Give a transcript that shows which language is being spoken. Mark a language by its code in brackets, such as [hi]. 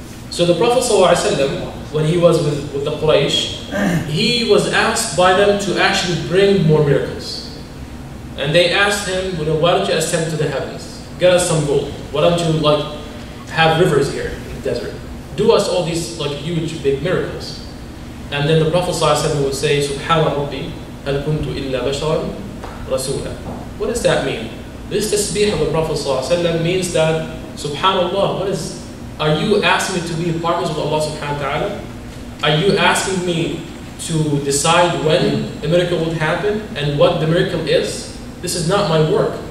[en] So the Prophet ﷺ, when he was with the Quraysh, he was asked by them to actually bring more miracles. And they asked him, why don't you ascend to the heavens? Get us some gold. Why don't you have rivers here in the desert? Do us all these huge, big miracles. And then the Prophet ﷺ would say, [ar] سُبْحَانَ رَبِّي هَلْ كُنْتُ إِلَّا بَشَرًا [en] رسولا. What does that mean? This tasbih of the Prophet [ar] صلى الله عليه وسلم [en] means that Subhanallah, what is, are you asking me to be a partner of Allah subhanahu wa ta'ala? Are you asking me to decide when a miracle would happen and what the miracle is? This is not my work.